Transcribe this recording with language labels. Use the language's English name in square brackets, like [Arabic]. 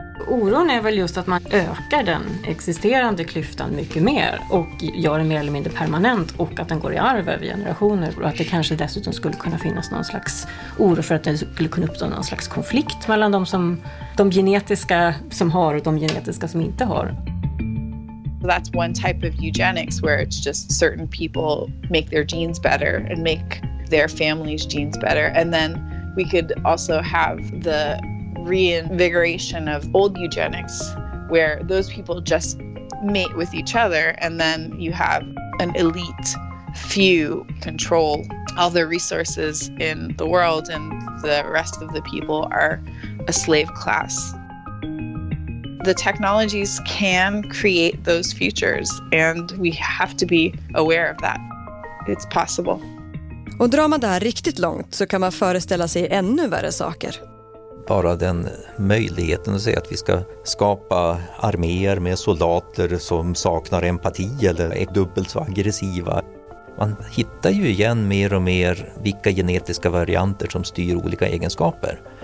[Swedish] Oron är väl just att man ökar den existerande klyftan mycket mer och gör den mer eller mindre permanent, och att den går i arv över generationer, och att det kanske dessutom skulle kunna finnas någon slags oro för att det skulle kunna uppstå någon slags konflikt mellan de genetiska som har och de genetiska som inte har. [English] That's one type of eugenics where it's just certain people make their genes better and make their family's genes better, and then we could also have the reinvigoration of old eugenics where those people just mate with each other, and then you have an elite few control all the resources in the world and the rest of the people are a slave class. The technologies can create those futures and we have to be aware of that. It's possible. [Swedish] Och drar man det här riktigt långt så kan man föreställa sig ännu värre saker. Bara den möjligheten att säga att vi ska skapa arméer med soldater som saknar empati eller är dubbelt så aggressiva. Man hittar ju igen mer och mer vilka genetiska varianter som styr olika egenskaper.